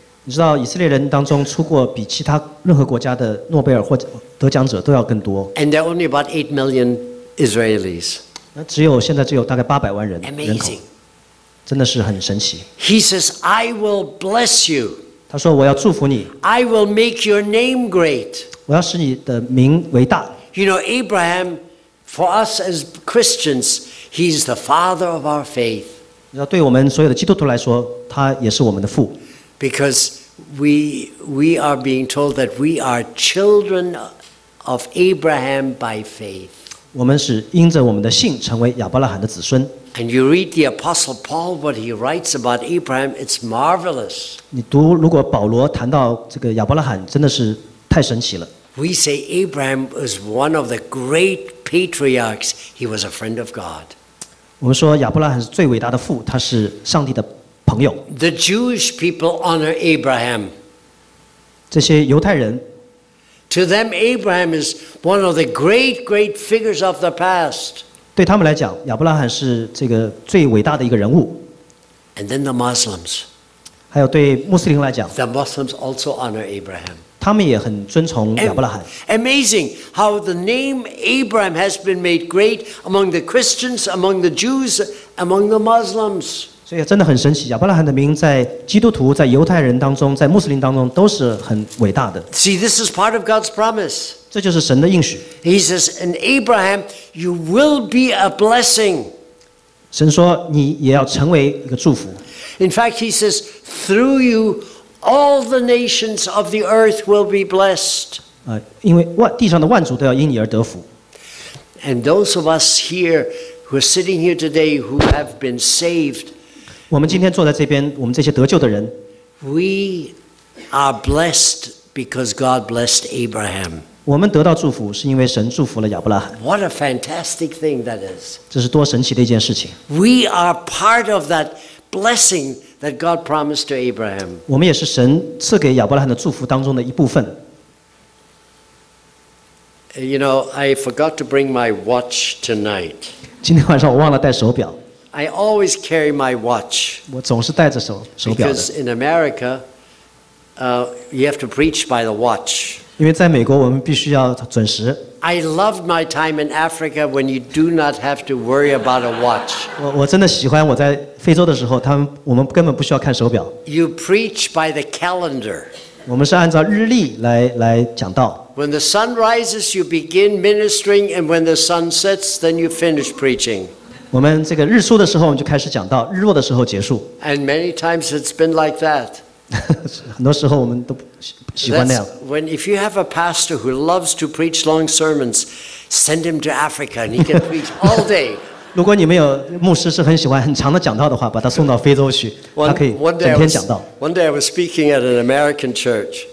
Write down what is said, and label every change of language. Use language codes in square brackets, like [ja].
[zh] 你知道以色列人当中出过比其他任何国家的诺贝尔或得奖者都要更多。 [en] And there are only about 8 million Israelis. [zh] 只有现在只有大概800万人。 [en] Amazing. [zh] 真的是很神奇。 [en] He says, "I will bless you." [zh] 他说我要祝福你。 [en] I will make your name great. [zh] 我要使你的名为大。 [en] You know, Abraham, for us as Christians, he's the father of our faith. [zh] 对我们所有的基督徒来说，他也是我们的父。 [en] Because we are being told that we are children of Abraham by faith. [zh] 我们是因着我们的信成为亚伯拉罕的子孙。 [en] And you read the Apostle Paul what he writes about Abraham, it's marvelous. [zh] 你读如果保罗谈到这个亚伯拉罕，真的是太神奇了。 [en] We say Abraham was one of the great patriarchs. He was a friend of God. [zh] 我们说亚伯拉罕是最伟大的父，他是上帝的朋友。 [en] The Jewish people honor Abraham. [zh] 这些犹太人。 [en] To them, Abraham is one of the great, great figures of the past. [zh] 对他们来讲，亚伯拉罕是这个最伟大的一个人物。 [en] And then the Muslims. [zh] 还有对穆斯林来讲 [en] ，The Muslims also honor Abraham. [zh] 他们也很尊崇亚伯拉罕。 [en] Amazing how the name Abraham has been made great among the Christians, among the Jews, among the Muslims. [zh] 所以真的很神奇，亚伯拉罕的名在基督徒、在犹太人当中、在穆斯林当中都是很伟大的。 [en] See, this is part of God's promise. [zh] 这就是神的应许。 [en] He says, "And Abraham, you will be a blessing." [zh] 神说你也要成为一个祝福。 [en] In fact, he says, "Through you, all the nations of the earth will be blessed." [zh] 因为地上的万族都要因你而得福。 [en] And those of us here who are sitting here today who have been saved, [zh] 我们今天坐在这边，我们这些得救的人 [en] ，we are blessed because God blessed Abraham. [zh] 我们得到祝福，是因为神祝福了亚伯拉罕。 [en] What a fantastic thing that is! [zh] 这是多神奇的一件事情。 [en] We are part of that blessing that God promised to Abraham. [zh] 我们也是神赐给亚伯拉罕的祝福当中的一部分。 [en] You know, I forgot to bring my watch tonight. [zh] 今天晚上我忘了带手表。 [en] I always carry my watch. [zh] 我总是带着手表的。 [en] Because in America, you have to preach by the watch. [zh] 因为在美国，我们必须要准时。 [en] I loved my time in Africa when you do not have to worry about a watch. [zh] 我真的喜欢我在非洲的时候，我们根本不需要看手表。 [en] You preach by the calendar. [zh] 我们是按照日历来讲道。 [en] When the sun rises, you begin ministering, and when the sun sets, then you finish preaching. [zh] 我们这个日出的时候我们就开始讲道，日落的时候结束。 [en] And many times it's been like that. [zh] 很多时候我们都喜欢那样。 [en] When if you have a pastor who loves to preach long sermons, send him to Africa and he can preach all day. [zh] 如果你们有牧师是很喜欢很长的讲道的话，把他送到非洲去，他可以整天讲道。 [en] One day I was speaking at an American church.